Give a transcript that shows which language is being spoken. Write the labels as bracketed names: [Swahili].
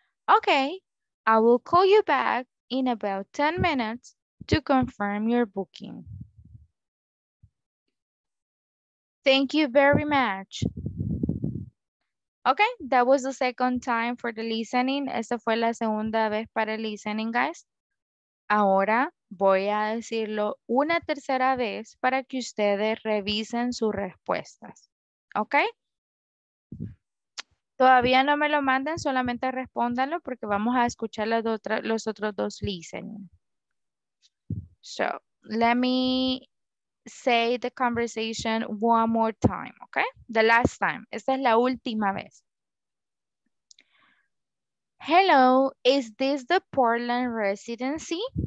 [English] Okay, I will call you back in about 10 minutes to confirm your booking. Thank you very much. Okay, that was the second time for the listening. [Spanish] Esta fue la segunda vez para el listening, guys. Ahora voy a decirlo una tercera vez para que ustedes revisen sus respuestas. Okay? Todavía no me lo manden, solamente respóndanlo porque vamos a escuchar los otros dos listening. [English] So, let me say the conversation one more time, okay? The last time. [Spanish] Esta es la última vez. [English] Hello, is this the Portland residency?